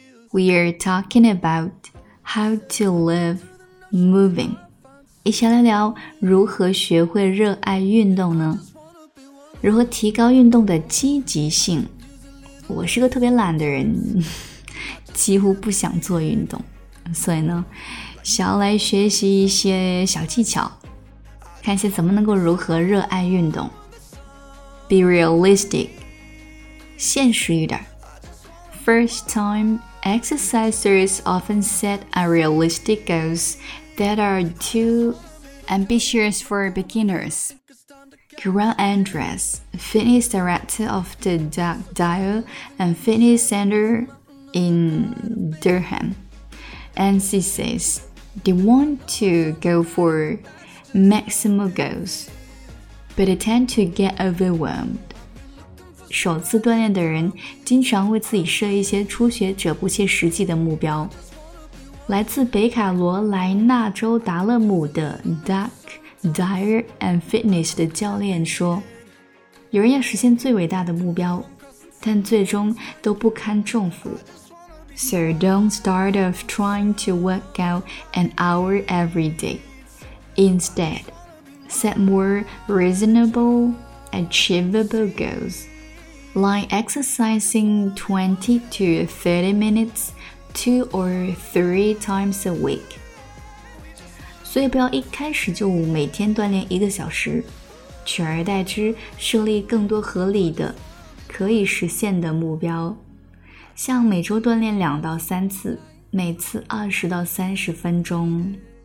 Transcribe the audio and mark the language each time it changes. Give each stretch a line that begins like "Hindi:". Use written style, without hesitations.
English: We are talking about how to live moving，
Chinese: 一起来聊如何学会热爱运动呢，如何提高运动的积极性。我是个特别懒的人，几乎不想做运动，所以呢想要来学习一些小技巧，看一下怎么能够如何热爱运动。
English: Be realistic，
Chinese: 现实一点。
English: First time exercisers often set unrealistic goals that are too ambitious for beginners. Grant Andress, fitness director of the Dark Dial and Fitness Center in Durham, and she says they want to go for maximum goals, but they tend to get overwhelmed.
Chinese: 首次锻炼的人经常为自己设一些初学者不切实际的目标。来自北卡罗来纳州达勒姆的 Dark Dial and Fitness 的教练说，有人要实现最伟大的目标，但最终都不堪重负。
English: So don't start off trying to work out an hour every day. Instead, set more reasonable, achievable goals, like exercising 20 to 30 minutes two or three times a week.
Chinese: 所以不要一开始就每天锻炼一个小时，取而代之设立更多合理的、可以实现的目标。像每周锻炼两到三次，每次20到30分钟。